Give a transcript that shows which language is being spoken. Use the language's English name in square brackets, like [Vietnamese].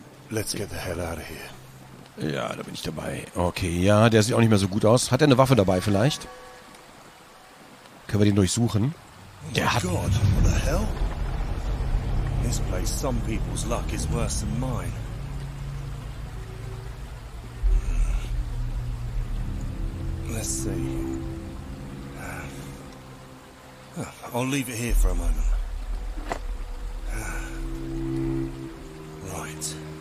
[English] Let's get the hell out of here. [German] Ja, da bin ich dabei. Okay, ja, der sieht auch nicht mehr so gut aus. Hat er eine Waffe dabei vielleicht? Können wir den durchsuchen? Der hat... [English] God, what the hell? In this place, some people's luck is worse than mine. Let's see. I'll leave it here for a moment. Right.